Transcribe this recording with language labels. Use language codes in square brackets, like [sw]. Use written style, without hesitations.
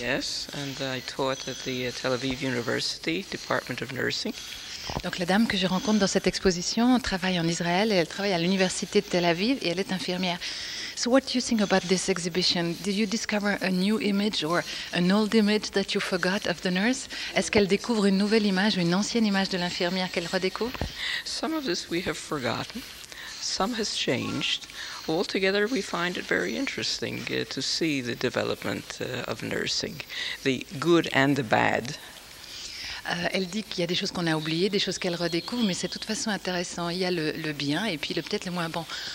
[en] Yes, and I taught at the Tel Aviv University Department of Nursing. [fr] Donc la dame que je rencontre dans cette exposition travaille en Israël et elle travaille à l'université de Tel Aviv et elle est infirmière. [en] So what do you think about this exhibition? Did you discover a new image or an old image that you forgot of the nurse? [fr] Est-ce qu'elle découvre une nouvelle image ou une ancienne image de l'infirmière qu'elle redécouvre? [en] Some of this we have forgotten. Some has changed. Altogether, we find it very interesting to see the development of nursing, the good and the bad. [fr] Elle dit qu'il y a des choses qu'on a oubliées, des choses qu'elle redécouvre, mais c'est de toute façon intéressant. Il y a le bien et puis peut-être le moins bon.